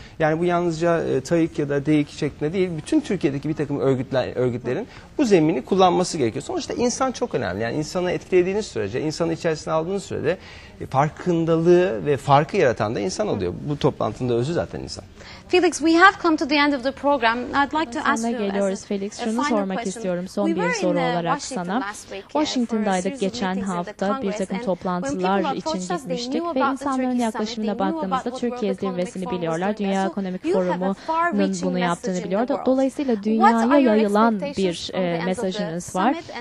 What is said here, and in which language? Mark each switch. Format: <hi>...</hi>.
<tr>Yani bu yalnızca TAİK ya da DEİK şeklinde değil, bütün Türkiye'deki bir takım örgütlerin bu zemini kullanması gerekiyor. Sonuçta insan çok önemli. Yani insanı etkilediğiniz sürece, insanı içerisine aldığınız sürede farkındalığı ve farkı yaratan da insan oluyor. Bu toplantının da özü zaten insan.</tr> <en>Felix, we have come to the end of the program. I'd like to ask you,</en> <tr>geliyoruz Felix, şunu sormak istiyorum son bir soru olarak sana. Washington'daydık geçen hafta, bir takım toplantılar için gitmiştik ve insanların yaklaşımına baktığımızda Türkiye zirvesini biliyorlar. Dünya Ekonomik Forumu'nun bunu yaptığını biliyor. Dolayısıyla dünyaya yayılan bir mesajınız var.</tr>